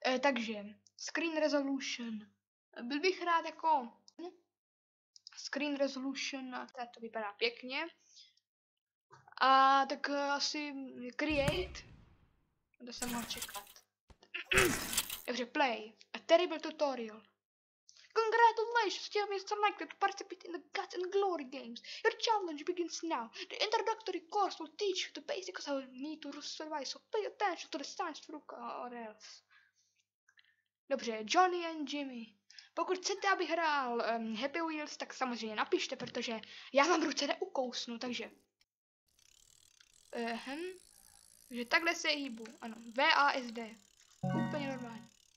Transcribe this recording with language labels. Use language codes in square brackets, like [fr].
[cs] Takže screen resolution, byl bych rád jako screen resolution, to vypadá pěkně. A tak asi create, kde jsem mohl čekat. Takže play, [en] a terrible tutorial. Congratulations, you have selected to participate in the Guts and Glory games. Your challenge begins now. The introductory course will teach you the basics of how you need to survive, so pay attention to the signs or else. [cs] Dobře, Johnny and Jimmy. Pokud chcete, abych hrál Happy Wheels, tak samozřejmě napište, protože já mám ruce neukousnu, takže... Takže takhle se hýbu. Ano, VASD. Úplně normální.